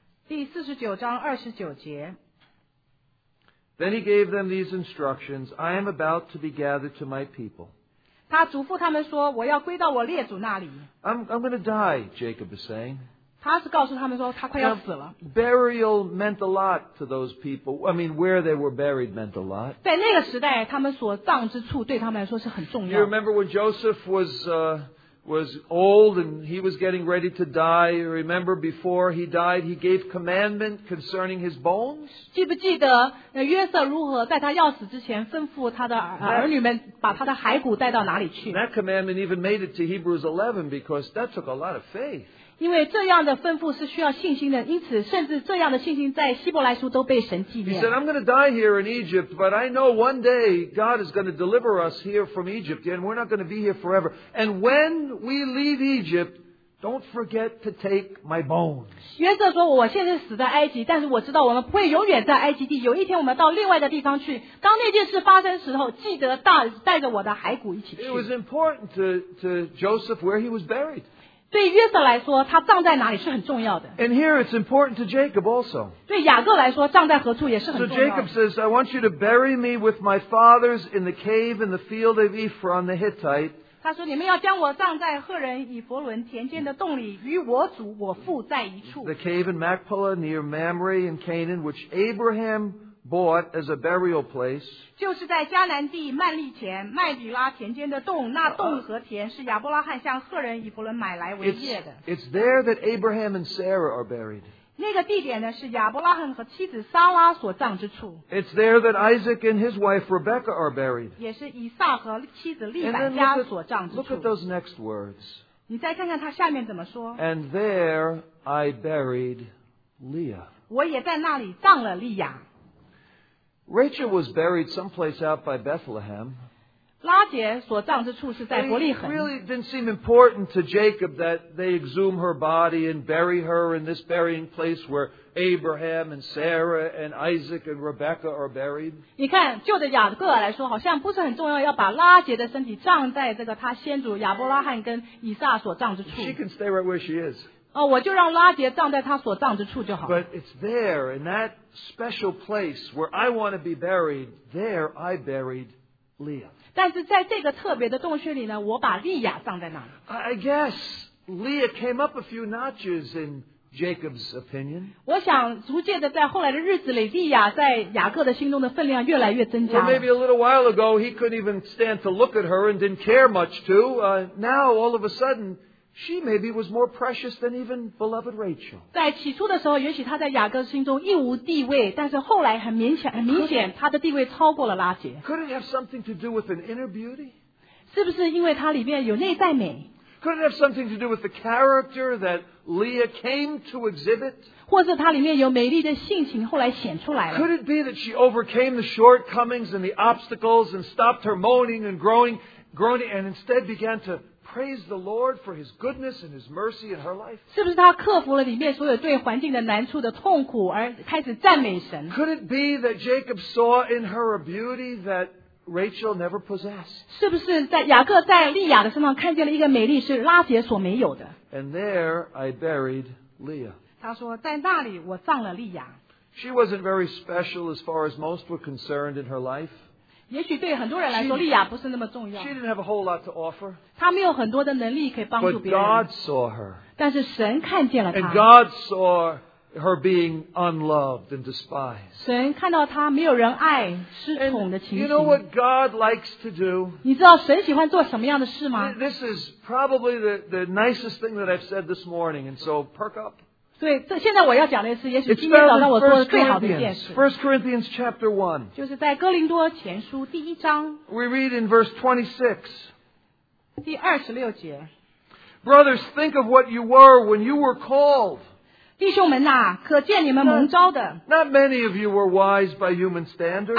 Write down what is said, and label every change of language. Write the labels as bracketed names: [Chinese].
[English] 49:29. Then he gave them these instructions, I am about to be gathered to my people. [Chinese] 他嘱咐他们说我要归到我列祖那里。 [English] I'm going to die, Jacob is saying. [Chinese] 他是告诉他们说他快要死了。 [English] Now, burial meant a lot to those people. I mean, where they were buried meant a lot. [Chinese] 在那个时代，他们所葬之处对他们来说是很重要。 [English] You remember when Joseph was old and he was getting ready to die? You remember before he died, he gave commandment concerning his bones? [Chinese] 记不记得约瑟如何在他要死之前吩咐他的儿女们把他的骸骨带到哪里去？ [English] That commandment even made it to Hebrews 11 because that took a lot of faith. [Chinese] 因为这样的吩咐是需要信心的，因此甚至这样的信心在希伯来书都被神纪念。 [English] He said, "I'm going to die here in Egypt, but I know one day God is going to deliver us here from Egypt, and we're not going to be here forever. And when we leave Egypt, don't forget to take my bones." [Chinese] 约瑟说：“我现在死在埃及，但是我知道我们不会永远在埃及地。有一天我们到另外的地方去。当那件事发生的时候，记得带着我的骸骨一起去。 [English] It was important to Joseph where he was buried. [Chinese] 对约瑟来说，他葬在哪里是很重要的。 [English] And here it's important to Jacob also. [Chinese] 对雅各来说，葬在何处也是很重要的。 [English] So Jacob says, "I want you to bury me with my fathers in the cave in the field of Ephron the Hittite." [Chinese] 他说：“你们要将我葬在赫人以弗伦田间的洞里，与我祖我父在一处。 [English] The cave in Machpelah near Mamre in Canaan, which Abraham bought as a burial place." [Chinese] 就是在迦南地曼利前麦比拉田间的洞，那洞和田是亚伯拉罕向赫人以弗伦买来为业的。 [English] It's there that Abraham and Sarah are buried. [Chinese] 那个地点呢是亚伯拉罕和妻子撒拉所葬之处。 [English] It's there that Isaac and his wife Rebecca are buried. [Chinese] 也是以撒和妻子利百加所葬之处。 [English] Look at those next words. [Chinese] 你再看看他下面怎么说。 [English] And there I buried Leah. [Chinese] 我也在那里葬了利亚。 [English] Rachel was buried someplace out by Bethlehem. [Chinese] 拉结所葬之处是在伯利恒。 [English] It really didn't seem important to Jacob that they exhume her body and bury her in this burying place where Abraham and Sarah and Isaac and Rebecca are buried. [Chinese] 你看，就着雅各来说，好像不是很重要，要把拉结的身体葬在这个他先祖亚伯拉罕跟以撒所葬之处。 [English] She can stay right where she is. [Chinese] 我就让拉结葬在他所葬之处就好。 [English] But it's there, in that special place where I want to be buried, there I buried Leah. [Chinese] 但是在这个特别的洞穴里呢，我把利亚葬在那里。 [English] I guess Leah came up a few notches in Jacob's opinion. [Chinese] 我想逐渐的在后来的日子里，利亚在雅各的心中的分量越来越增加。 [English] Or maybe a little while ago, he couldn't even stand to look at her and didn't care much to. Now, all of a sudden,She maybe was more precious than even beloved Rachel. [Chinese] 在起初的时候，也许她在雅各心中一无地位，但是后来很明显，她的地位超过了拉结。 [English] Could it have something to do with an inner beauty? [Chinese] 是不是因为她里面有内在美？ [English] Could it have something to do with the character that Leah came to exhibit? [Chinese] 或是她里面有美丽的性情后来显出来了？ [English] Could it be that she overcame the shortcomings and the obstacles and stopped her moaning and groaning and instead began to? Praise the Lord for His goodness and His mercy in her life. [Chinese] 是不是她克服了里面所有对环境的难处的痛苦，而开始赞美神 [English] ？Could it be that Jacob saw in her a beauty that Rachel never possessed? [Chinese] 是不是在雅各在利亚的身上看见了一个美丽是拉结所没有的 [English] ？And there I buried Leah. [Chinese] 他说，在那里我葬了利亚。 [English] She wasn't very special as far as most were concerned in her life. [Chinese] 也许对很多人来说，利亚不是那么重要。 [English] She didn't have a whole lot to offer. [Chinese] 她没有很多的能力可以帮助别人。 [English] But God saw her. [Chinese] 但是神看见了她。 [English] And God saw her being unloved and despised. [Chinese] 神看到她没有人爱、失宠的情形。 [English] You know what God likes to do? [Chinese] 你知道神喜欢做什么样的事吗？ [English] This is probably the nicest thing that I've said this morning, and so perk up. [Chinese] 所以这现在我要讲的是，也许今天早上我做的最好的一件事。 [English] First Corinthians chapter one， [Chinese] 就是在哥林多前书第一章。 [English] We read in verse 26。 [Chinese] 第二十六节。 [English] Brothers, think of what you were when you were called。 [Chinese] 弟兄们呐、啊，可见你们蒙召的。 [English] Not many of you were wise by human standards。